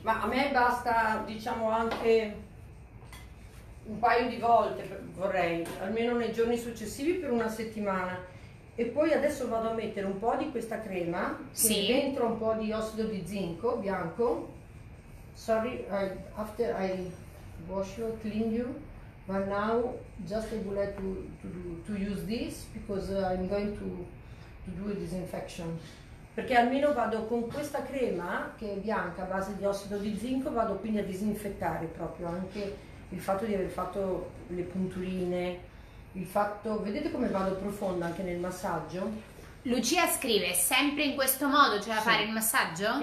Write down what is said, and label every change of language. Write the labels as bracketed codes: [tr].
[it] Ma a me basta, diciamo, anche un paio di volte, vorrei, almeno nei giorni successivi per una settimana. E poi adesso vado a mettere un po' di questa crema, sì, che dentro un po' di ossido di zinco bianco. [en] Sorry, after I wash you, clean you. But now, just I would like to use this because I'm going to do a disinfection. [it] Perché almeno vado con questa crema, che è bianca, a base di ossido di zinco, vado quindi a disinfettare proprio anche il fatto di aver fatto le punturine, il fatto... Vedete come vado profonda anche nel massaggio? Lucia scrive, sempre in questo modo, cioè a fare il massaggio?